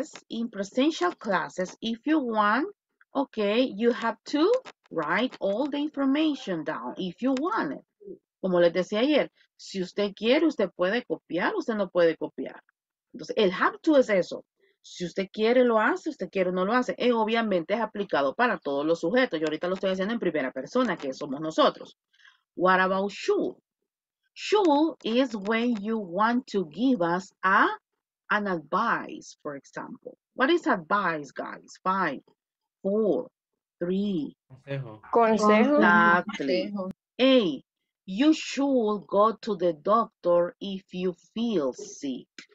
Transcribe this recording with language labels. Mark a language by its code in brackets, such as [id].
[en] In presential classes, if you want, okay, you have to write all the information down if you want it. [es] Como les decía ayer, si usted quiere, usted puede copiar, usted no puede copiar. Entonces, el have to es eso. Si usted quiere, lo hace, usted quiere, no lo hace. Y obviamente es aplicado para todos los sujetos. Yo ahorita lo estoy haciendo en primera persona, que somos nosotros. [en] What about should? Should is when you want to give us an advice, for example. What is advice, guys? 5, 4, 3. [es] Consejo. [en] Exactly. [es] Consejo. [en] You should go to the doctor if you feel sick.